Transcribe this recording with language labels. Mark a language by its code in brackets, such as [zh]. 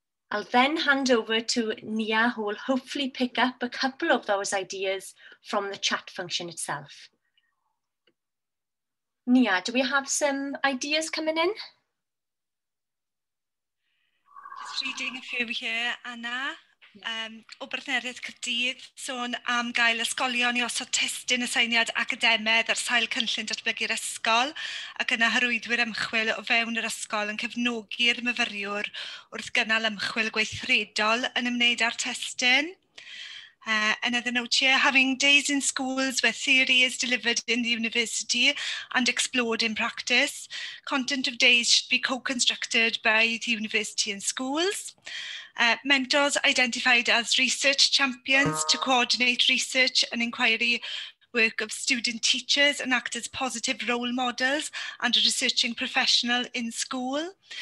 [en] I'll then hand over to Nia, who will hopefully pick up a couple of those ideas from the chat function itself. Nia, do we have some ideas coming in? Just reading a few here, Anna. [cy] O Partneriaeth Caerdydd, sôn am gael ysgolion I osod testun asaeniad academedd ar sail cynllun datblygu'r ysgol ac yna hyrwyddwyr ymchwil o fewn yr ysgol yn cefnogi'r myfyriwr wrth gynnal ymchwil gweithredol yn ymwneud â'r testun. [en] Another note here, having days in schools where theory is delivered in the university and explored in practice, content of days should be co-constructed by the university and schools. Mentors identified as research champions to coordinate research and inquiry work of student teachers and act as positive role models and a researching professional in school.